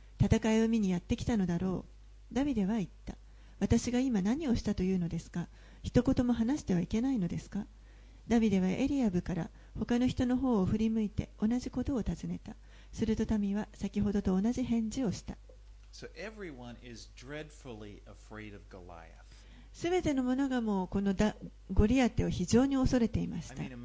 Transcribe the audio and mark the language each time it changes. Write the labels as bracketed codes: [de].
[ja] 戦いを見にやってきたのだろう。ダビデは言った。私が今何をしたというのですか。一言も話してはいけないのですか。ダビデはエリアブから他の人の方を振り向いて同じことを尋ねた。すると民は先ほどと同じ返事をした。 [en] So everyone is dreadfully afraid of Goliath. [ja] 全ての者がもうこのゴリアテを非常に恐れていました。